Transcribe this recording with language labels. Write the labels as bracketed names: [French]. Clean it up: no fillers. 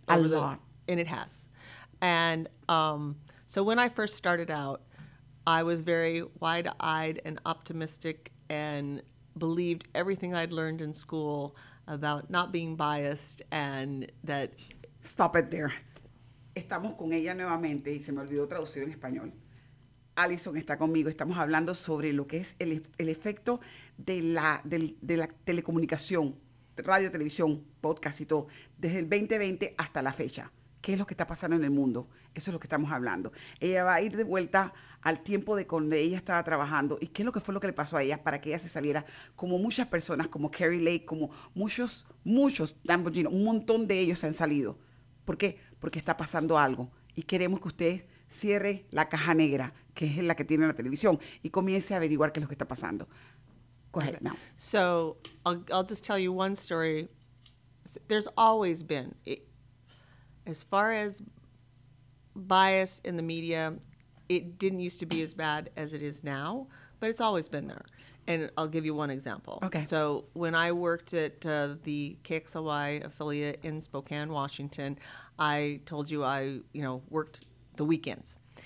[English] A lot. And it has. And so when I first started out, I was very wide-eyed and optimistic and believed everything I'd learned in school about not being biased and that... Stop it there. [Spanish] Estamos con ella nuevamente y se me olvidó traducir en español. Allison está conmigo. Estamos hablando sobre lo que es el efecto de la telecomunicación, radio, televisión, podcast y todo, desde el 2020 hasta la fecha. qué es lo que está pasando en el mundo. Eso es lo que estamos hablando. Ella va a ir de vuelta al tiempo de cuando ella estaba trabajando y qué es lo que fue lo que le pasó a ella para que ella se saliera, como muchas personas, como Carrie Lake, como muchos, muchos, Lamborghini, un montón de ellos se han salido. ¿Por qué? Porque está pasando algo y queremos que usted cierre la caja negra, que es la que tiene la televisión, y comience a averiguar qué es lo que está pasando. [English] Go ahead now. So, I'll just tell you one story. There's always been, as far as bias in the media, it didn't used to be as bad as it is now, but it's always been there. And I'll give you one example. Okay. So when I worked at the KXLY affiliate in Spokane, Washington, I told you I, you know, worked the weekends.